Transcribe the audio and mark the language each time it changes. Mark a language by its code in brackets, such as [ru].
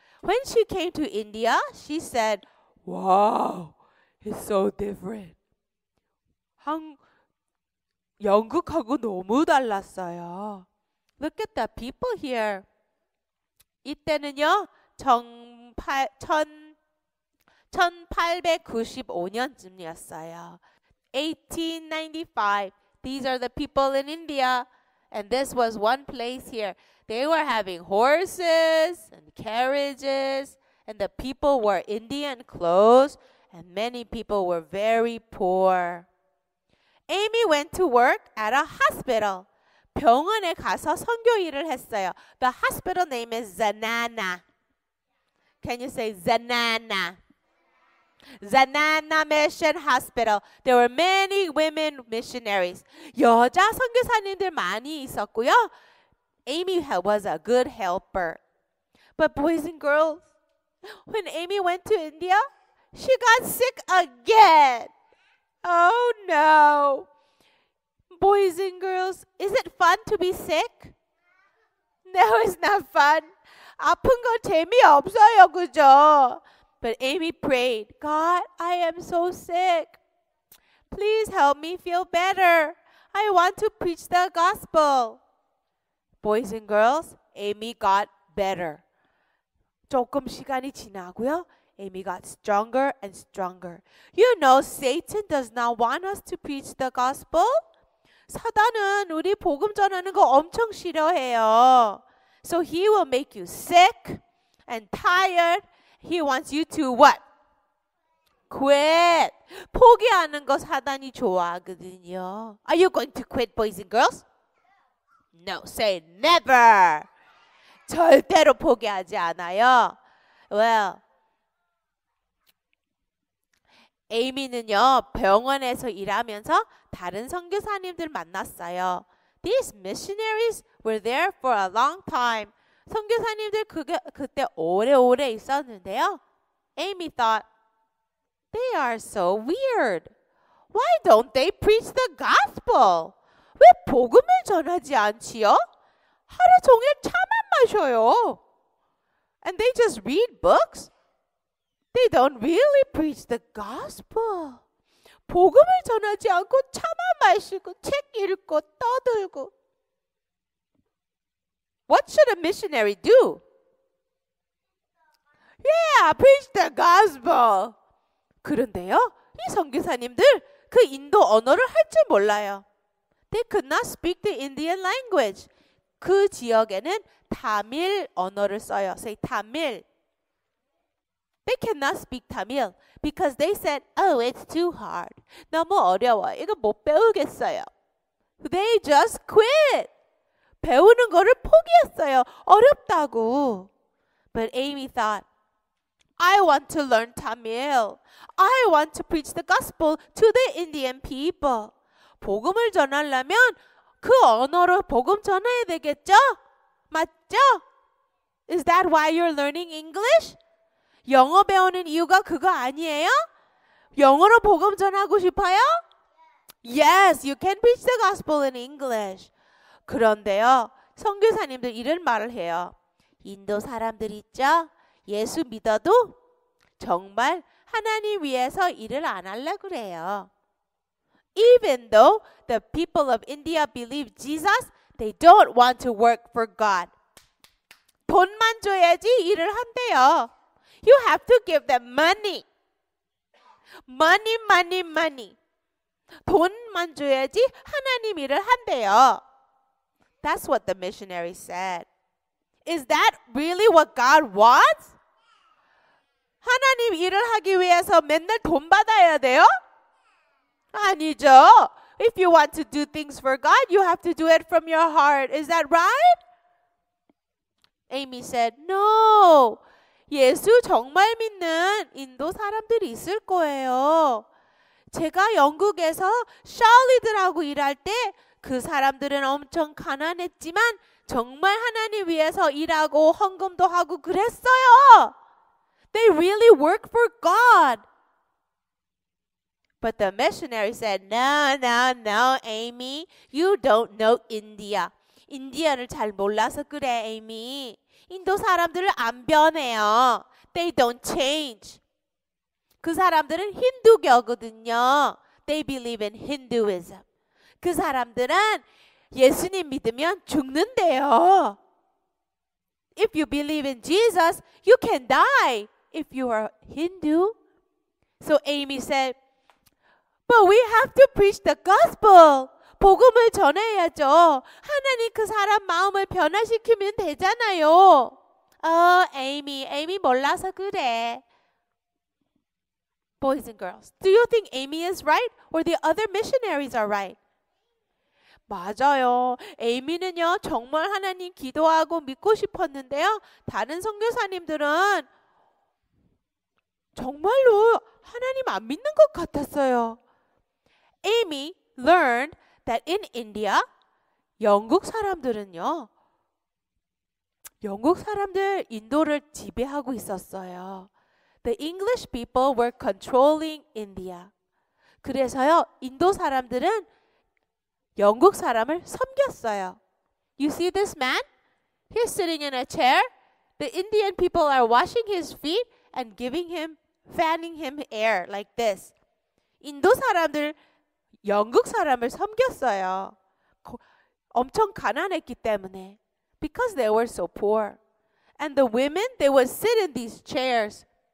[en] When she came to India, she said, "Wow, it's so different." [ko] 영국하고 너무 달랐어요. [en] Look at the people here. [ko] 이때는요, 1895년쯤이었어요. [en] 1895. These are the people in India. And this was one place here. They were having horses and carriages. And the people wore Indian clothes. And many people were very poor. Amy went to work at a hospital. [ko] 병원에 가서 선교 일을 했어요. [en] The hospital name is Zanana. Can you say Zanana? Zanana Mission Hospital. There were many women missionaries. [ko] 여자 선교사님들 많이 있었고요. [en] Amy was a good helper. But boys and girls, when Amy went to India, she got sick again. Oh no. Boys and girls, is it fun to be sick? No, it's not fun. [ko] 아픈 거 재미없어요, 그죠? [en] But Amy prayed, "God, I am so sick. Please help me feel better. I want to preach the gospel." Boys and girls, Amy got better. [ko] 조금 시간이 지나고요. [en] Amy got stronger and stronger. You know, Satan does not want us to preach the gospel. [ko] 사단은 우리 복음 전하는 거 엄청 싫어해요. [en] So he will make you sick and tired. He wants you to what? Quit. [ko] 포기하는 거 사단이 좋아하거든요. [en] Are you going to quit, boys and girls? No, say never. [ko] 절대로 포기하지 않아요. [en] Well, [ko] Amy는요, 병원에서 일하면서 다른 선교사님들 만났어요. [en] These missionaries were there for a long time. [ko] 선교사님들 그때 오래오래 있었는데요. [en] Amy thought, "They are so weird. Why don't they preach the gospel? [ko] 왜 복음을 전하지 않지요? 하루 종일 차만 마셔요. [en] And they just read books. They don't really preach the gospel. [ko] 복음을 전하지 않고 차만 마시고 책 읽고 떠들고. [en] What should a missionary do?" "Yeah, preach the gospel." [ko] 그런데요, 이 선교사님들 그 인도 언어를 할 줄 몰라요. [en] They could not speak the Indian language. [ko] 그 지역에는 타밀 언어를 써요. [en] Say 타밀. They cannot speak Tamil because they said, oh, it's too hard. [ko] 너무 어려워. 이거 못 배우겠어요. [en] They just quit. [ko] 배우는 거를 포기했어요. 어렵다고. [en] But Amy thought, I want to learn Tamil. I want to preach the gospel to the Indian people. [ko] 복음을 전하려면 그 언어로 복음 전해야 되겠죠? 맞죠? [en] Is that why you're learning English? [ko] 영어 배우는 이유가 그거 아니에요? 영어로 복음 전하고 싶어요? [en] Yes, you can preach the gospel in English. [ko] 그런데요, 선교사님들 이런 말을 해요. 인도 사람들 있죠? 예수 믿어도 정말 하나님 위해서 일을 안 하려고 그래요. [en] Even though the people of India believe Jesus, they don't want to work for God. [ko] 돈만 줘야지 일을 한대요. [en] You have to give them money. Money, money, money. [ko] 돈만 줘야지 하나님 일을 한대요. [en] That's what the missionary said. Is that really what God wants? [ko] 하나님 일을 하기 위해서 맨날 돈 받아야 돼요? 아니죠. [en] If you want to do things for God, you have to do it from your heart. Is that right? Amy said, no. [ko] 예수 정말 믿는 인도 사람들이 있을 거예요. 제가 영국에서 샬리들하고 일할 때 그 사람들은 엄청 가난했지만 정말 하나님 위해서 일하고 헌금도 하고 그랬어요. [en] They really work for God. But the missionary said, no, no, no, Amy. You don't know India. [ko] 인디아를 잘 몰라서 그래, [en] Amy. [ko] 인도 사람들을 안 변해요. [en] They don't change. [ko] 그 사람들은 힌두교거든요. [en] They believe in Hinduism. [ko] 그 사람들은 예수님 믿으면 죽는데요. [en] If you believe in Jesus, you can die if you are Hindu. So Amy said, but we have to preach the gospel. [ko] 복음을 전해야죠. 하나님 그 사람 마음을 변화시키면 되잖아요. Oh, Amy, Amy 몰라서 그래. [en] Boys and girls, do you think Amy is right or the other missionaries are right? [ko] 맞아요. 에이미는요, 정말 하나님 기도하고 믿고 싶었는데요. 다른 선교사님들은 정말로 하나님 안 믿는 것 같았어요. [en] Amy learned that in India, [ko] 영국 사람들은요, 영국 사람들 인도를 지배하고 있었어요. [en] The English people were controlling India. [ko] 그래서요, 인도 사람들은 영국 사람을 섬겼어요. [en] You see this man? He's sitting in a chair. The Indian people are washing his feet and giving him, fanning him air like this. [ko] 인도 사람들 영국 사람을 섬겼어요. 엄청 가난했기 때문에. [en] Because they were so poor. And the women, they would sit in these chairs.